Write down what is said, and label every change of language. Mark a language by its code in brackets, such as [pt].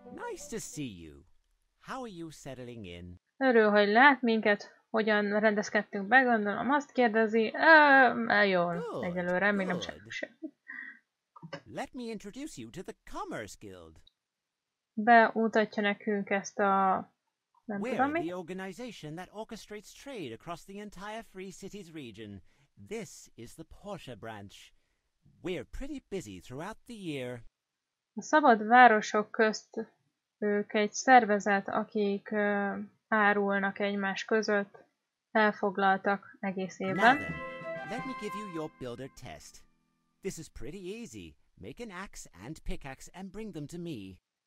[en] Nice to see you. How are you settling in? [hu] Örül, hogy lát minket. Hogyan rendezkedtünk be, gondolom, azt kérdezi. Jól, egyelőre, még nem csináljuk semmit. [en] Let me introduce you to the Commerce Guild. [hu] Beutatja nekünk ezt a... nem [en] We're [hu] tudom mi. [en] The organization that orchestrates trade across the entire Free Cities region. This is the Porsche branch. We're pretty busy throughout the year. [hu] A szabad városok közt ők egy szervezet, akik... árulnak egymás között, elfoglaltak egész évben. [en] Let me give you your builder test. This is pretty easy. Make an axe and pickaxe and bring them to me.